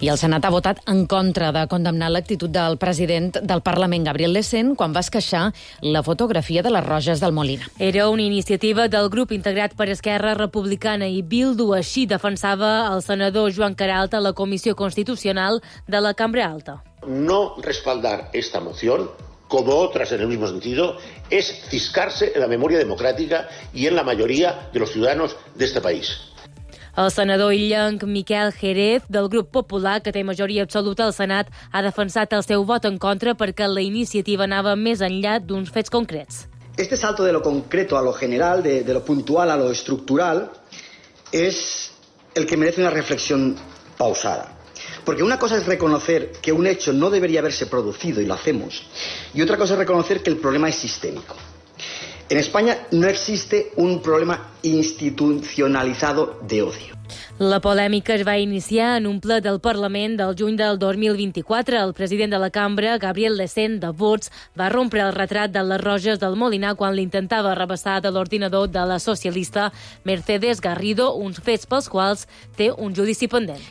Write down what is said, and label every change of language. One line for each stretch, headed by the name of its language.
Catalan: I el Senat ha votat en contra de condemnar l'actitud del president del Parlament, Gabriel Lecent, quan va esqueixar la fotografia de les Roges del Molina. Era una iniciativa del grup integrat per Esquerra Republicana i Bildu, així defensava el senador Joan Caralta a la Comissió Constitucional de la Cambra Alta.
Spanish: No respaldar esta moción, como otras en el mismo sentido, es ciscarse en la memoria democrática y en la mayoría de los ciudadanos de este país.
Catalan: El senador illenc Miquel Jerez, del grup popular, que té majoria absoluta al Senat, ha defensat el seu vot en contra perquè la iniciativa anava més enllà d'uns fets concrets.
Spanish: Este salto de lo concreto a lo general, de lo puntual a lo estructural, es el que merece una reflexión pausada. Porque una cosa es reconocer que un hecho no debería haberse producido, y lo hacemos, y otra cosa es reconocer que el problema es sistémico. En España no existe un problema institucionalizado de odio.
Catalan: La polèmica es va iniciar en un ple del Parlament del juny del 2024. El president de la cambra, Gabriel Lecent, de Vox, va rompre el retrat de les Roges del Molinar quan l'intentava arrabassar de l'ordinador de la socialista Mercedes Garrido, uns fets pels quals té un judici pendent.